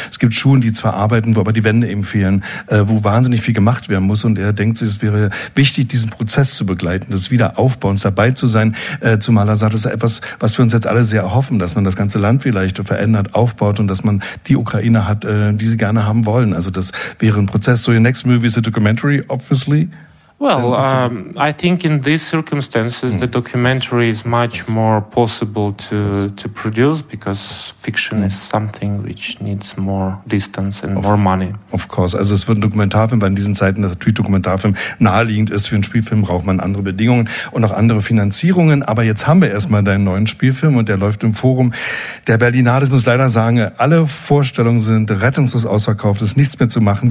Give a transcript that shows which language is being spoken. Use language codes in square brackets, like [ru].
[de] Es gibt Schulen, die zwar arbeiten, wo aber die Wände eben fehlen, wo wahnsinnig viel gemacht werden muss. Und er denkt sich, es wäre wichtig, diesen Prozess zu begleiten, das Wiederaufbauen, dabei zu sein. Zumal er sagt, es ist etwas, was wir uns jetzt alle sehr erhoffen, dass man das ganze Land vielleicht verändert, aufbaut, und dass man die Ukraine hat, die sie gerne haben wollen. Also das wäre ein Prozess. [en] So, your next movie is a documentary, obviously. Well, I think in these circumstances the documentary is much more possible to produce, because fiction is something which needs more distance and more money. Of course, [de] also es wird ein Dokumentarfilm, weil in diesen Zeiten, dass natürlich Dokumentarfilm naheliegend ist. Für einen Spielfilm braucht man andere Bedingungen und auch andere Finanzierungen. Aber jetzt haben wir erstmal deinen neuen Spielfilm, und der läuft im Forum der Berlinale. Das muss ich leider sagen, alle Vorstellungen sind rettungslos ausverkauft. Es ist nichts mehr zu machen.